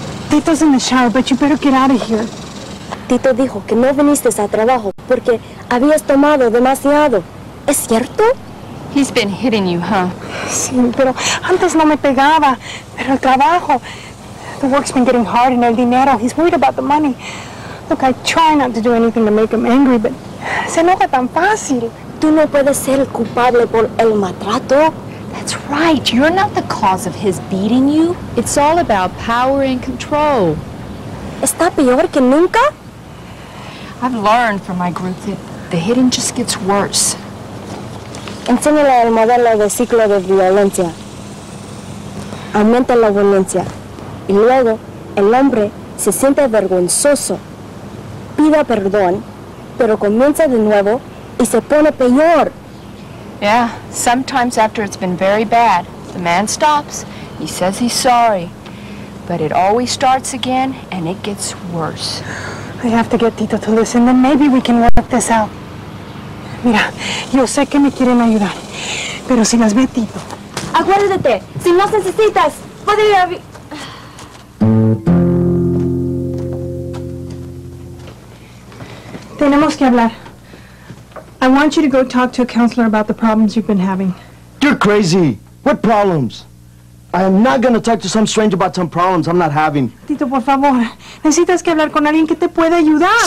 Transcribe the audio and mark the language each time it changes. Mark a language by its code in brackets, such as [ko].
[en] Tito's in the shower, but you better get out of here. [es] Tito dijo que no viniste a trabajo porque habías tomado demasiado. ¿Es cierto? [en] He's been hitting you, huh? [es] Sí, pero antes no me pegaba. Pero el trabajo. [en] The work's been getting hard and [es] el dinero. [en] He's worried about the money. Look, I try not to do anything to make him angry, but [es] se enoja tan fácil. Tú no puedes ser el culpable por el maltrato. [en] That's right. You're not the cause of his beating you. It's all about power and control. ¿Está peor que nunca? I've learned from my group that the hitting just gets worse. [es] Enséñale el modelo de ciclo de violencia. Aumenta la violencia. Y luego, el hombre se siente vergonzoso. Pida perdón, pero comienza de nuevo y se pone peor. [en] Yeah, sometimes after it's been very bad, the man stops, he says he's sorry. But it always starts again and it gets worse. I have to get Tito to listen, then maybe we can work this out. [es] Mira, yo sé que me quieren ayudar, pero si las ve Tito. Acuérdate, si no necesitas, podría... Tenemos que hablar. [en] I want you to go talk to a counselor about the problems you've been having. You're crazy. What problems? I am not going to talk to some stranger about some problems I'm not having. [es] Tito, por favor. Necesitas que hablar con alguien que te pueda ayudar.